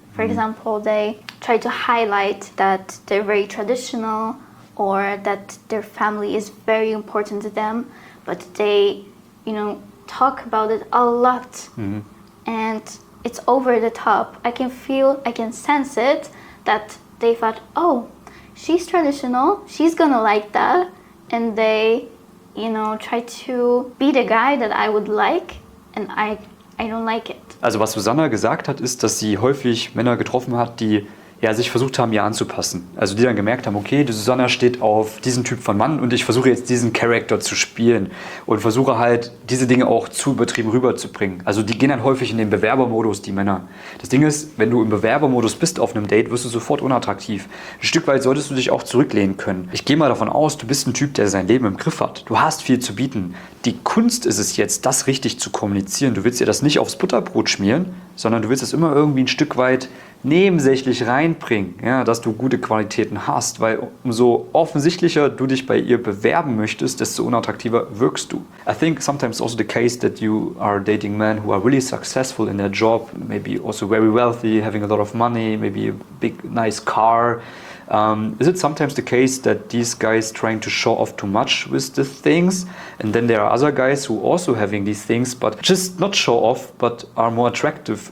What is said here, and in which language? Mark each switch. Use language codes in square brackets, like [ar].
[en] For example, they try to highlight that they're very traditional or that their family is very important to them, but they, you know, talk about it a lot and it's over the top. I can feel, I can sense it, that they thought, oh, she's traditional, she's gonna like that, and they, you know, try to be the guy that I would like, and I don't like it. [de] Also was Susanna gesagt hat, ist, dass sie häufig Männer getroffen hat, die ja sich versucht haben, ihr anzupassen. Also die dann gemerkt haben, okay, die Susanna steht auf diesen Typ von Mann und ich versuche jetzt diesen Charakter zu spielen und versuche halt, diese Dinge auch zu übertrieben rüberzubringen. Also die gehen dann häufig in den Bewerbermodus, die Männer. Das Ding ist, wenn du im Bewerbermodus bist auf einem Date, wirst du sofort unattraktiv. Ein Stück weit solltest du dich auch zurücklehnen können. Ich gehe mal davon aus, du bist ein Typ, der sein Leben im Griff hat. Du hast viel zu bieten. Die Kunst ist es jetzt, das richtig zu kommunizieren. Du willst ihr das nicht aufs Butterbrot schmieren, sondern du willst es immer irgendwie ein Stück weit nebensächlich reinbringen, ja, dass du gute Qualitäten hast, weil umso offensichtlicher du dich bei ihr bewerben möchtest, desto unattraktiver wirkst du. [en] I think sometimes also the case that you are dating men who are really successful in their job, maybe also very wealthy, having a lot of money, maybe a big nice car. Is it sometimes the case that these guys trying to show off too much with the things, and then there are other guys who also having these things but just not show off but are more attractive?